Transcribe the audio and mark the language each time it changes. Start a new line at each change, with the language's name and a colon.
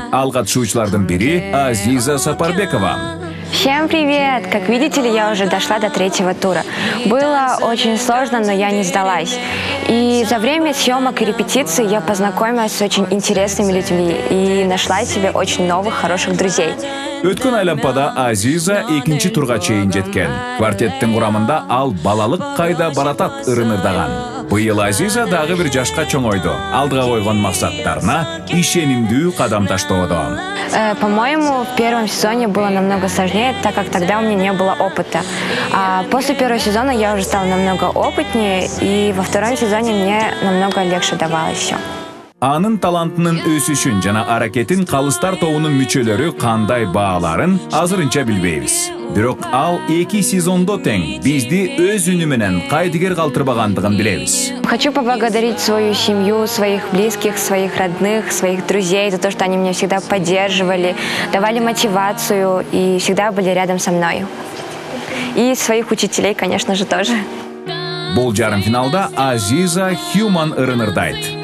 Kyrgyz: Ал катышуучулардын бири Азиза Сапарбекова.
Russian: Всем привет! Как видите, я уже дошла до третьего тура. Было очень сложно, но я не сдалась. И за время съемок и репетиций я познакомилась с очень интересными людьми и нашла себе очень новых, хороших друзей.
Kyrgyz: Өткөн айлампада Азиза экинчи турга чейин жеткен. Квартеттин курамында ал балалык кайда баратат ырыныдаган. Быйыл Азиза дагы бир жашка чоңойду. Алдыга койгон максаттарына ишенимдүү кадам таштоодо.
Russian: По-моему, в первом сезоне было намного сложнее, так как тогда у меня не было опыта. А после первого сезона я уже стала намного опытнее, и во втором сезоне мне намного легче давалось все.
Kyrgyz: Анын талантынын өсүшүн жана аракетин калыстар тобунун мүчөлөрү кандай бааларын азырынча билбейбиз. Бирок ал эки сезондо тең бизди өз үнү менен кайдыгер калтырбагандыгын билебиз.
Russian: Хочу поблагодарить свою семью, своих близких, своих родных, своих друзей за то, что они меня всегда поддерживали, давали мотивацию и всегда были рядом со мной. И своих учителей, конечно же, тоже.
Kyrgyz: Бул жарым финалда Азиза Хьюман ырыныдайт.